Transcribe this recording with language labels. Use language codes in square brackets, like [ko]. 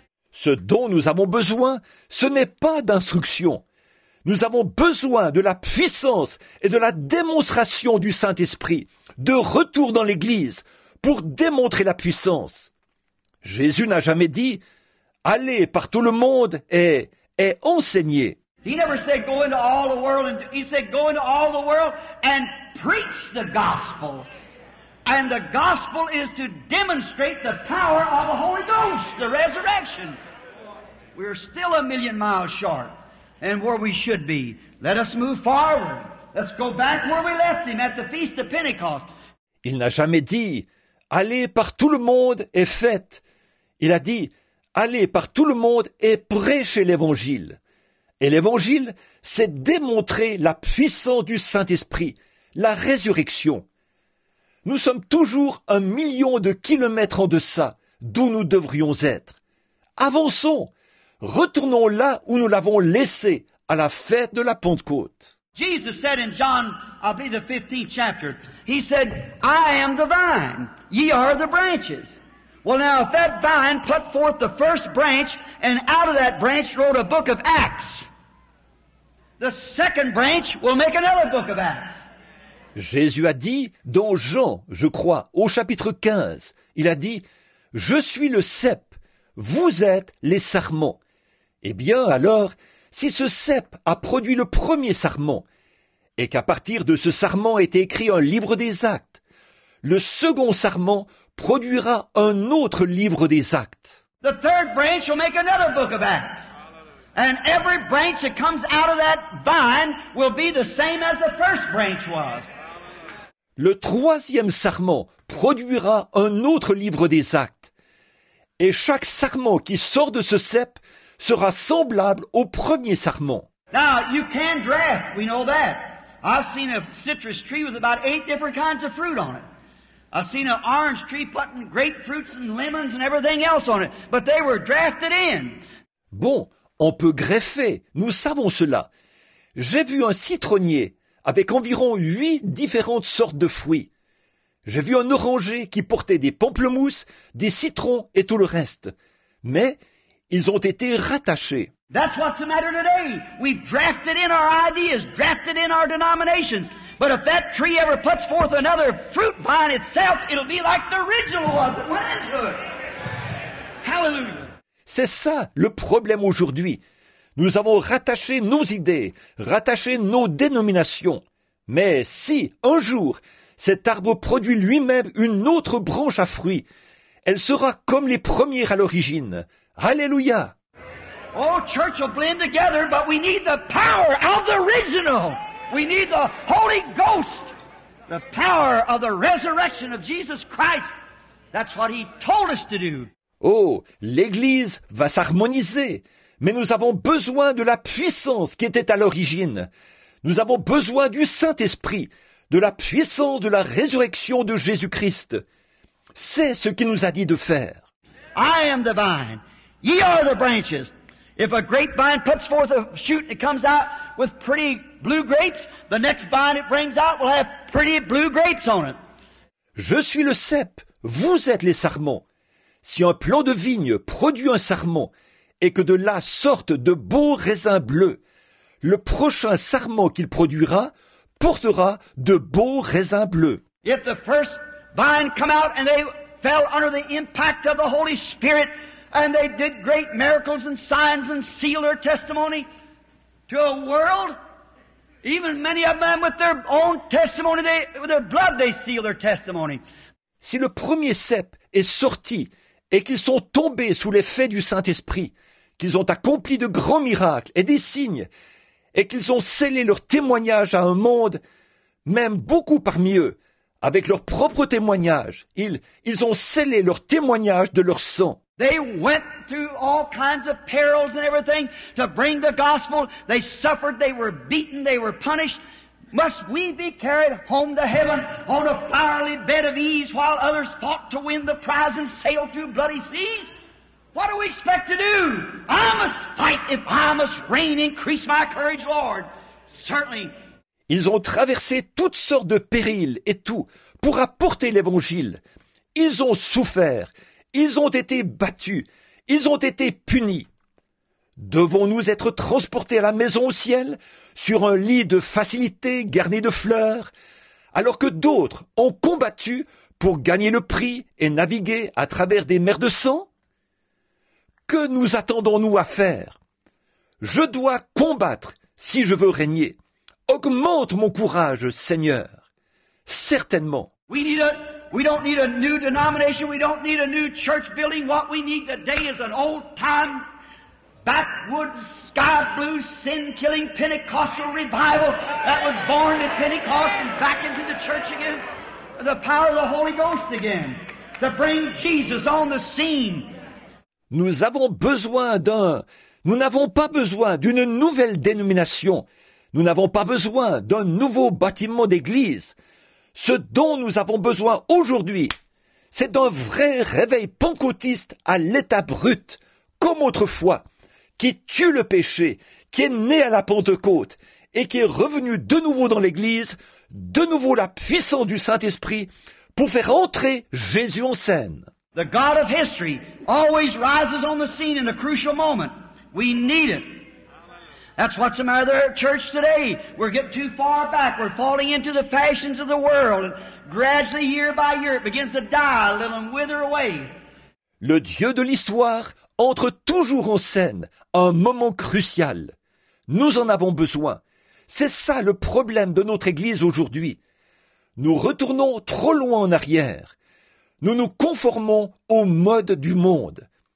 [fr] Ce dont nous avons besoin, ce n'est pas d'instruction. Nous avons besoin de la puissance et de la démonstration du Saint-Esprit, de retour dans l'Église pour démontrer la puissance. Jésus n'a jamais dit « Allez par tout le monde et enseignez ». [en] He never said go into all the world, and he said go into all the world and preach the gospel. And the gospel is to demonstrate the power of the Holy Ghost, the resurrection. We are still a million miles short and where we should be. Let us move forward. Let's go back where we left him at the feast of Pentecost. [fr] Il n'a jamais dit, allez par tout le monde et faites. Il a dit, allez par tout le monde et prêchez l'évangile. Et l'évangile, c'est démontrer la puissance du Saint-Esprit, la résurrection. Nous sommes toujours un million de kilomètres en deçà d'où nous devrions être. Avançons. Retournons là où nous l'avons laissé, à la fête de la Pentecôte. [en] Jesus said in John, I'll be the 15th chapter, he said, I am the vine, ye are the branches. Well now, if that vine put forth the first branch, and out of that branch wrote a book of Acts, the second branch will make another book of Acts. [fr] Jésus a dit, dans Jean, je crois, au chapitre 15, il a dit, « Je suis le cep, vous êtes les sarments. » Eh bien, alors, si ce cep a produit le premier sarment, et qu'à partir de ce sarment a été écrit un livre des actes, le second sarment produira un autre livre des actes. [en] « The third branch will make another book of Acts. And every branch that comes out of that vine will be the same as the first branch was. » [fr] Le troisième sarment produira un autre livre des actes. Et chaque sarment qui sort de ce cep sera semblable au premier sarment. [en] Now, you can draft, we know that. I've seen a citrus tree with about 8 different kinds of fruit on it. I've seen an orange tree putting grapefruits and lemons and everything else on it. But they were drafted in. [fr] Bon, on peut greffer, nous savons cela. J'ai vu un citronnier avec environ 8 différentes sortes de fruits. J'ai vu un oranger qui portait des pamplemousses, des citrons et tout le reste. Mais Ils ont été rattachés. [en] That's what's the matter today. We've drafted in our ideas, drafted in our denominations. But if that tree ever puts forth another fruit vine itself, it'll be like the original was at Lantwood. Hallelujah. [fr] C'est ça le problème aujourd'hui. Nous avons rattaché nos idées, rattaché nos dénominations. Mais si, un jour, cet arbre produit lui-même une autre branche à fruits, elle sera comme les premières à l'origine. Alléluia! [en] Oh, church will blend together, but we need the power of the original. We need the Holy Ghost, the power of the resurrection of Jesus Christ. That's what he told us to do. [fr] Oh, l'Église va s'harmoniser, mais nous avons besoin de la puissance qui était à l'origine. Nous avons besoin du Saint-Esprit, de la puissance de la résurrection de Jésus-Christ. C'est ce qu'il nous a dit de faire. [en] I am the vine, ye are the branches. If a grapevine puts forth a shoot and it comes out with pretty blue grapes, the next vine it brings out will have pretty blue grapes on it. [fr] Je suis le cep, vous êtes les sarments. Si un plant de vigne produit un sarment et que de là sortent de beaux raisins bleus, le prochain sarment qu'il produira portera de beaux raisins bleus. [en] If the first vine come out and they fell under the impact of the Holy Spirit and they did great miracles and signs and sealed their testimony to a world, even many of them with their own testimony, with their blood they seal their testimony. [fr] Si le premier cep est sorti et qu'ils sont tombés sous l'effet du Saint-Esprit, qu'ils ont accompli de grands miracles et des signes, et qu'ils ont scellé leur témoignage à un monde, même beaucoup parmi eux, avec leur propre témoignage, ils ont scellé leur témoignage de leur sang. [en] They went through all kinds of perils and everything to bring the gospel. They suffered, they were beaten, they were punished. Must we be carried home to heaven on a fiery bed of ease while others fought to win the prize and sailed through bloody seas? What do we expect to do? I must fight if I must reign. Increase my courage, Lord. Certainly. [fr] Ils ont traversé toutes sortes de périls et tout pour apporter l'évangile. Ils ont souffert. Ils ont été battus. Ils ont été punis. Devons-nous être transportés à la maison au ciel sur un lit de facilité garni de fleurs, alors que d'autres ont combattu pour gagner le prix et naviguer à travers des mers de sang? Que nous attendons-nous à faire? Je dois combattre si je veux régner. Augmente mon courage, Seigneur. Certainement. [en] We don't need a new denomination. We don't need a new church building. What we need today is an old-time, backwoods, sky-blue, sin-killing Pentecostal revival that was born at Pentecost and back into the church again. The power of the Holy Ghost again to bring Jesus on the scene. [fr] Nous avons besoin d'un... Nous n'avons pas besoin d'une nouvelle dénomination. Nous n'avons pas besoin d'un nouveau bâtiment d'église. Ce dont nous avons besoin aujourd'hui, c'est d'un vrai réveil pentecôtiste à l'état brut, comme autrefois, qui tue le péché, qui est né à la Pentecôte et qui est revenu de nouveau dans l'Église, de nouveau la puissance du Saint-Esprit pour faire entrer Jésus en scène. [en] The God of history always rises on the scene in a crucial moment. We need it. That's what's the matter with our church today. We're getting too far back. We're falling into the fashions of the world. And gradually, year by year, it begins to die a little and wither away. [fr] Le Dieu de l'histoire entre toujours en scène à un moment crucial. Nous en avons besoin. C'est ça le problème de notre Église aujourd'hui. Nous retournons trop loin en arrière. Nous nous conformons au mode du monde.